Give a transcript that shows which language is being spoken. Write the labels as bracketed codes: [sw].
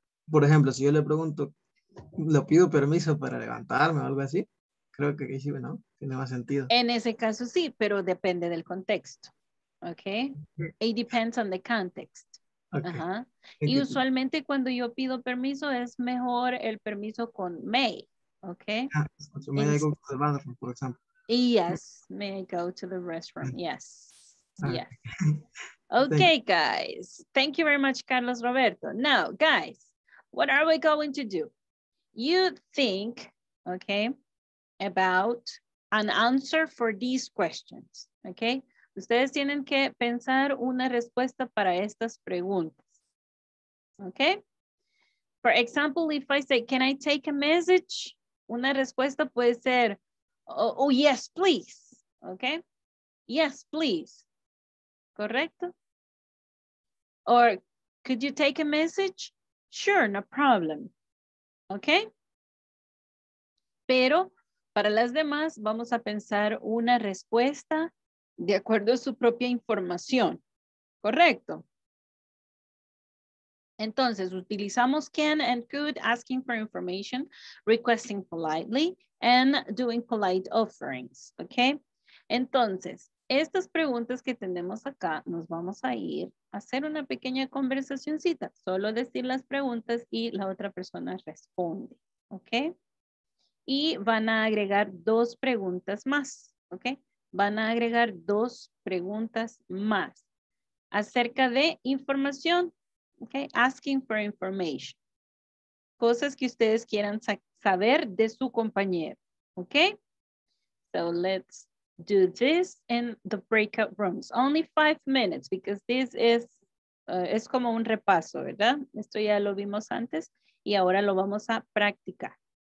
[es] Por ejemplo, si yo le pregunto, ¿le pido permiso para levantarme o algo así? Creo que sí, ¿no? Tiene más sentido. En ese caso sí, pero depende del contexto. [en] Okay? It depends on the context. Okay. [es] Uh-huh. Y usualmente cuando yo pido permiso es mejor el permiso con may. [en] Okay? So may I go to the bathroom, for example. Yes, may I go to the restroom. Yes. Yes. Okay, guys. Thank you very much, Carlos Roberto. Now, guys, what are we going to do? You think, okay, about an answer for these questions, okay? [es] Ustedes tienen que pensar una respuesta para estas preguntas, okay? [en] For example, if I say, can I take a message? [es] Una respuesta puede ser, [en] oh, oh yes, please, okay? Yes, please, correcto? Or could you take a message? Sure, no problem, okay? [es] Pero, para las demás, vamos a pensar una respuesta de acuerdo a su propia información. ¿Correcto? Entonces, utilizamos [en] can and could, asking for information, requesting politely, and doing polite offerings. [es] ¿Ok? Entonces, estas preguntas que tenemos acá, nos vamos a ir a hacer una pequeña conversacioncita. Solo decir las preguntas y la otra persona responde. ¿Ok? Y van a agregar dos preguntas más, ¿ok? Van a agregar dos preguntas más acerca de información [en] Okay, asking for information. [es] Cosas que ustedes quieran saber de su compañero. [en] Okay? So let's do this in the breakout rooms. Only 5 minutes because this is [es] es como un repaso, ¿verdad? Esto ya lo vimos antes y ahora lo vamos a practicar.